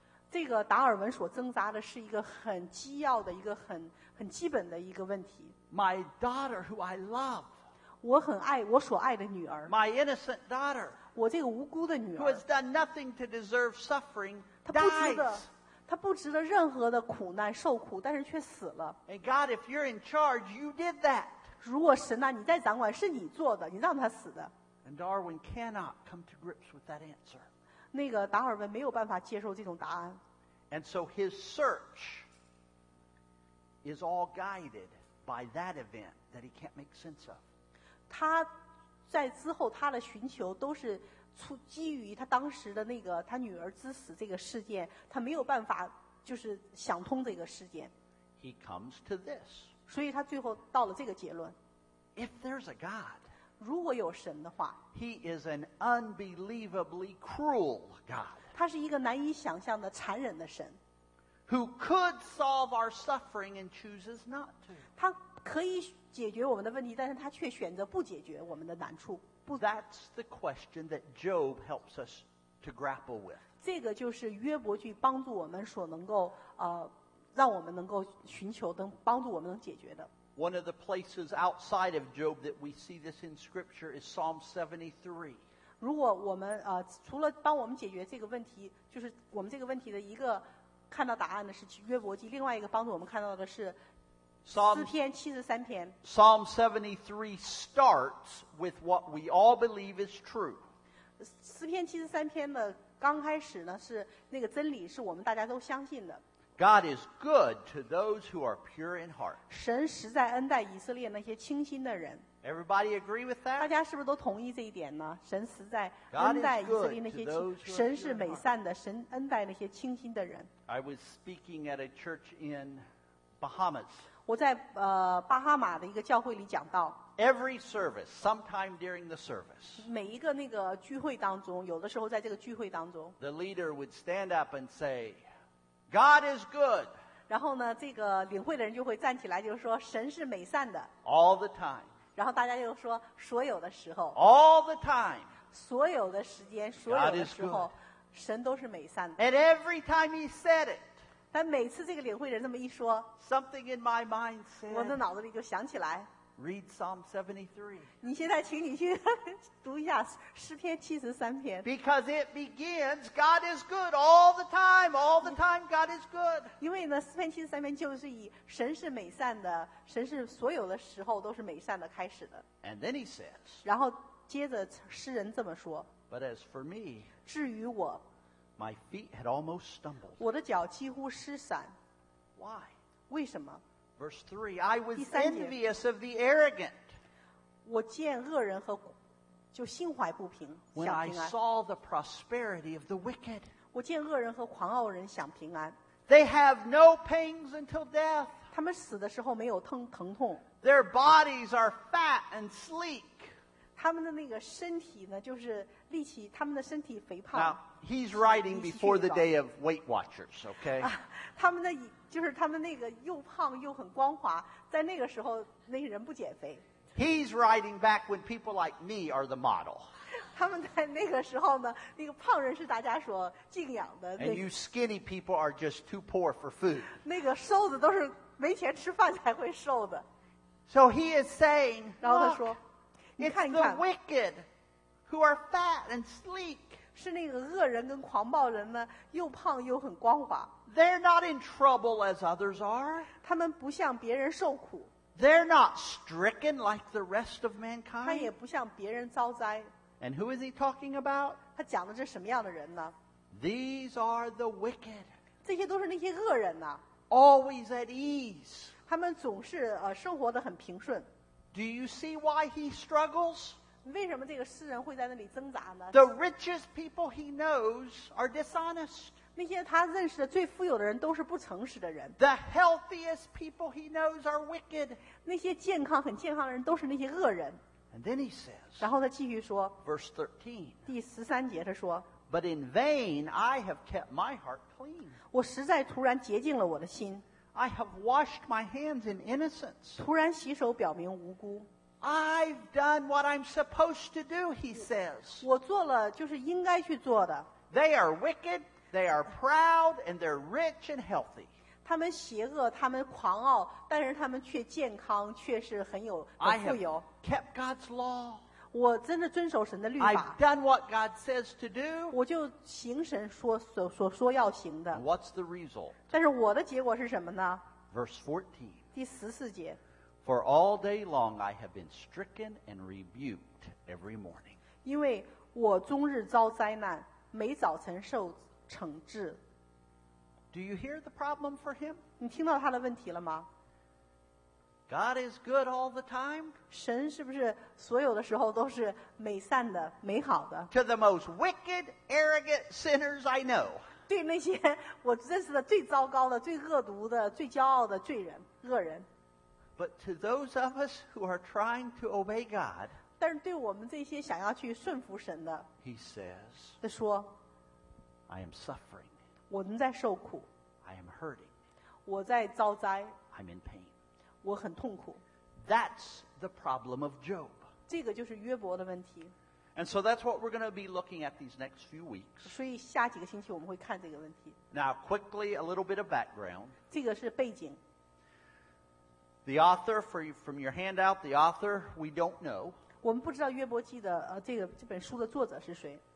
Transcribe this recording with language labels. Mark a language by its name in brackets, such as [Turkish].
[Chinese] 这个达尔文所挣扎的是一个很基要的一个很基本的一个问题 [English] My daughter, who I love. [Chinese] 我很爱我所爱的女儿。 [English] My innocent daughter. [Chinese] 我这个无辜的女儿。 [English] Who has done nothing to deserve suffering, dies. [Chinese] 她不值得任何的苦难受苦，但是却死了。 [English] And God, if you're in charge, you did that. [Chinese] 如果神啊，你在掌管，是你做的，你让她死的。 [English] And Darwin cannot come to grips with that answer. [Chinese] 那个达尔文没有办法接受这种答案。 [English] And so his search is all guided by that event that he can't make sense of. [Chinese] 他在之后他的寻求都是基于他当时的那个他女儿之死这个事件，他没有办法就是想通这个事件。 [English] He comes to this. [Chinese] 所以他最后到了这个结论。 [English] If there's a God. [Chinese] 如果有神的话 [English] He is an unbelievably cruel God. [Chinese] 他是一个难以想象的残忍的神 [English] Who could solve our suffering and chooses not to. [Chinese] 他可以解决我们的问题，但是他却选择不解决我们的难处。不 [English] That's the question that Job helps us to grapple with. [Chinese] 这个就是约伯记帮助我们所能够让我们能够寻求能帮助我们能解决的。 [English] One of the places outside of Job that we see this in Scripture is Psalm 73. [Chinese] 如果我们除了帮我们解决这个问题，就是我们这个问题的一个看到答案的是约伯记，另外一个帮助我们看到的是诗篇七十三篇。 [English] Psalm 73 starts with what we all believe is true. [Chinese] 诗篇七十三篇的刚开始呢，是那个真理是我们大家都相信的。 [English] God is good to those who are pure in heart. [Chinese] 神实在恩待以色列那些清心的人。 [English] Everybody agree with that? [Chinese] 大家是不是都同意这一点呢？神实在恩待以色列那些神是美善的，神恩待那些清心的人。 [English] I was speaking at a church in Bahamas. [Chinese] 我在巴哈马的一个教会里讲到。 [English] Every service, sometime during the service. [Chinese] 每一个那个聚会当中，有的时候在这个聚会当中。 [English] The leader would stand up and say. God is good. [Chinese] 然后呢，这个领会的人就会站起来，就说神是美善的。 [English] All the time. [Chinese] 然后大家就说所有的时候。 [English] All the time. [Chinese] 所有的时间，所有的时候，神都是美善的。 [English] And every time he said it. [Chinese] 但每次这个领会人这么一说 [English] ，Something in my mind said. [Chinese] 我的脑子里就想起来。 [English] Read Psalm 73. [Chinese] 你现在请你去读一下诗篇七十三篇。 [English] Because it begins, God is good all the time, all the time, God is good. [Chinese] 因为呢，诗篇七十三篇就是以神是美善的，神是所有的时候都是美善的开始的。 [English] And then he says. [Chinese] 然后接着诗人这么说。 [English] But as for me, [Chinese] 至于我 [English] ，my feet had almost stumbled. [Chinese] 我的脚几乎失散。 [English] Why? [Chinese] 为什么？ [English] Verse 3, I was envious of the arrogant. [Chinese] 我见恶人和就心怀不平 [English] When I saw the prosperity of the wicked. [Chinese] 我见恶人和狂傲人享平安 [English] They have no pains until death. [Chinese] 他们死的时候没有疼痛 [English] Their bodies are fat and sleek. [Chinese] 他们的那个身体呢就是力气他们的身体肥胖 [English] Now, he's writing before the day of Weight Watchers, okay? [Chinese] 他们的就是他们那个又胖又很光滑，在那个时候那些人不减肥。 [English] He's riding back when people like me are the model. [Chinese] 他们在那个时候呢，那个胖人是大家所敬仰的。 [English] And you skinny people are just too poor for food. [Chinese] 那个瘦子都是没钱吃饭才会瘦的。 [English] So he is saying, [Chinese] 然后他说，你看 [English] ，It's the wicked who are fat and sleek. [Chinese] 是那个恶人跟狂暴人呢，又胖又很光滑。 [English] They're not in trouble as others are. [Chinese] 他们不像别人受苦。 [English] They're not stricken like the rest of mankind. [Chinese] 他也不像别人遭灾。 [English] And who is he talking about? [Chinese] 他讲的是什么样的人呢？ [English] These are the wicked. [Chinese] 这些都是那些恶人呐。 [English] Always at ease. [Chinese] 他们总是生活得很平顺。 [English] Do you see why he struggles? [Chinese] 为什么这个诗人会在那里挣扎呢？ [English] The richest people he knows are dishonest. [Chinese] 那些他认识的最富有的人都是不诚实的人。 [English] The healthiest people he knows are wicked. [Chinese] 那些健康很健康的人都是那些恶人。 [English] And then he says. [Chinese] 然后他继续说。 [English] Verse 13. [Chinese] 第十三节他说。 [English] But in vain I have kept my heart clean. [Chinese] 我实在突然洁净了我的心。 [English] I have washed my hands in innocence. [Chinese] 突然洗手表明无辜。 [English] I've done what I'm supposed to do, he says. [Chinese] 我做了就是应该去做的。 [English] They are wicked.They are proud and they're rich and healthy. [Chinese] 他们邪恶，他们狂傲，但是他们却健康，却是很有很富有。 [English] I have kept God's law. [Chinese] 我真的遵守神的律法。 [English] I've done what God says to do. [Chinese] 我就行神所说要行的。 [English] What's the result? [Chinese] 但是我的结果是什么呢？ [English] Verse 14. [Chinese] 第十四节。 [English] For all day long I have been stricken and rebuked every morning. [Chinese] 因为我终日遭灾难，每早晨受惩治。 [English] Do you hear the problem for him? [Chinese] 你听到他的问题了吗？ [English] God is good all the time. [Chinese] 神是不是所有的时候都是美善的、美好的？ [English] To the most wicked, arrogant sinners I know. [Chinese] 对那些我认识的最糟糕的、最恶毒的、最骄傲的罪人、恶人。 [English] But to those of us who are trying to obey God, [Chinese] 但是对我们这些想要去顺服神的， [English] He says, [Chinese] 他说， [English] I am suffering. [Chinese] 我们在受苦 [English] I am hurting. [Chinese] 我在遭灾 [English] I'm in pain. [Chinese] 我很痛苦 [English] That's the problem of Job. [Chinese] 这个就是约伯的问题 [English] And so that's what we're going to be looking at these next few weeks. [Chinese] 所以下几个星期我们会看这个问题 [English] Now quickly a little bit of background. [Chinese] 这个是背景 [English] The author, from your handout, the author, we don't know. [Chinese] 我们不知道约伯记的这本书的作者是谁